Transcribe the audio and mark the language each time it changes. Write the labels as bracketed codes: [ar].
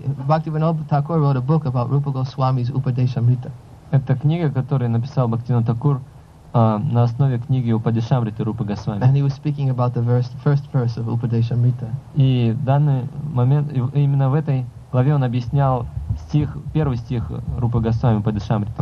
[en] Бхактивинод Такур wrote a book about Rupa Goswami's Upadeshamrita. [ru] Это книга, которую написал Бхактивинод Такур на основе книги Упадешамриты Рупы Госвами. [en] And he was speaking about the first verse of Upadeshamrita. [ru] И в данный момент, именно в этой главе он объяснял первый стих Рупы Госвами Упадешамриты.